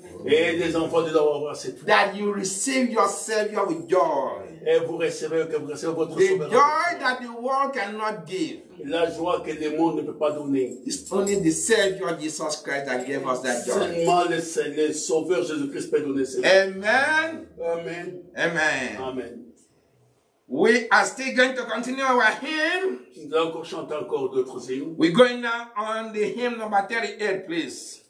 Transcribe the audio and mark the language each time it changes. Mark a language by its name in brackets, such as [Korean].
[French] Et les enfants de Dieu avoir cette foi. [English] That you receive your Savior with joy. [French] Et vous recevez, que vous recevez votre [English] the souverain. Joy that the world cannot give. [French] La joie que le monde ne peut pas donner. [English] It's only the Savior Jesus Christ that gave us that joy. [French] Seulement le Seigneur, Sauveur Jésus Christ peut donner cette joie. Amen. Amen. Amen. Amen. [English] We are still going to continue our hymn. [French] Nous allons chanter encore d'autres hymnes. [English] We're going now on the hymn number 38, please.